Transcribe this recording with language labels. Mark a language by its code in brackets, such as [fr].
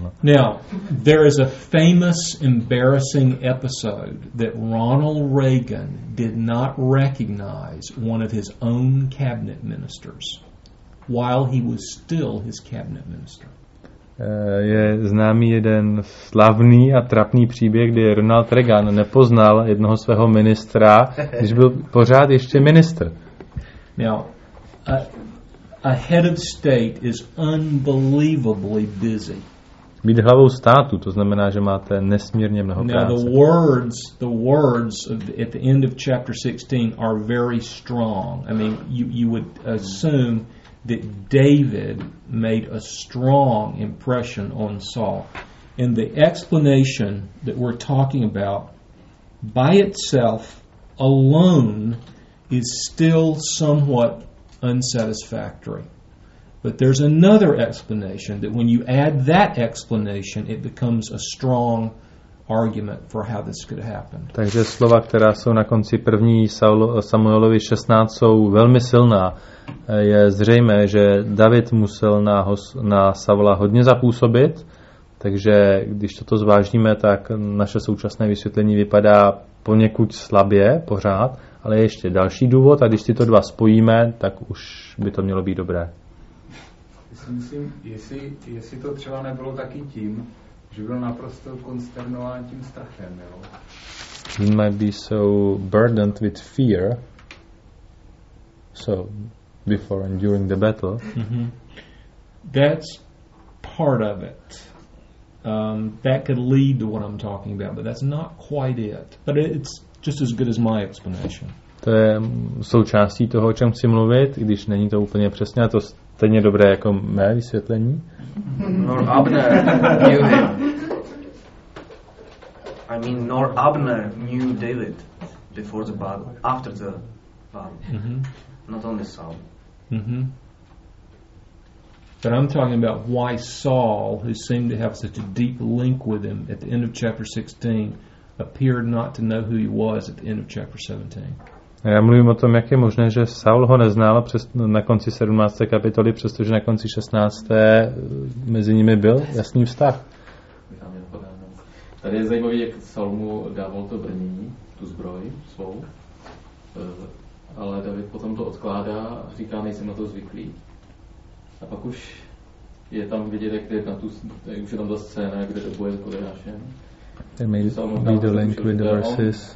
[en] No. Now, there is a famous embarrassing episode that Ronald Reagan did not recognize one of his own cabinet ministers. while he was still his cabinet minister. [cs] Je známý jeden slavný a trapný příběh, kdy Ronald Reagan nepoznal jednoho svého ministra, když byl pořád ještě ministr. [en] Now, a head of state is unbelievably busy. [cs] Být hlavou státu, to znamená, že máte nesmírně mnoho práce. [en] Now, the words of at the end of chapter 16 are very strong. I mean, you would assume that David made a strong impression on Saul. And the explanation that we're talking about by itself alone is still somewhat unsatisfactory. But there's another explanation that when you add that explanation, it becomes a strong argument for how this could have happened. [cs] Takže slova, která jsou na konci první Samuelovi 16, jsou velmi silná. Je zřejmé, že David musel na Saula hodně zapůsobit, takže když toto zvážíme, tak naše současné vysvětlení vypadá poněkud slabě pořád, ale ještě další důvod a když tyto dva spojíme, tak už by to mělo být dobré. Myslím, jestli to třeba nebylo taky tím, že byl naprosto konsternován tím strachem, jo? [en] He might be so burdened with fear, so before and during the battle. Mm-hmm. That's part of it. That could lead to what I'm talking about, but that's not quite it. But it's just as good as my explanation. To je součástí toho, o čem chci mluvit, i když není to úplně přesně, a to stejně dobré jako mé vysvětlení. Nor Abner knew him. I mean, nor Abner knew David before the battle, after the battle. Mm-hmm. Not only Saul. Mm-hmm. But I'm talking about why Saul, who seemed to have such a deep link with him at the end of chapter 16, appeared not to know who he was at the end of chapter 17. [cs] Já mluvím o tom, jak je možné, že Saul ho neznal na konci 17. kapitoly, přestože na konci 16. mezi nimi byl jasný vztah. Tady je zajímavý, jak Saul mu dával to brnění, tu zbroj svou, ale David potom to odkládá a říká, nejsem na to zvyklý. A pak už je tam vidět, jak je na tu, už je tam ta scéna, kde to boje s Goliášem. [en] There may be the link with the verses.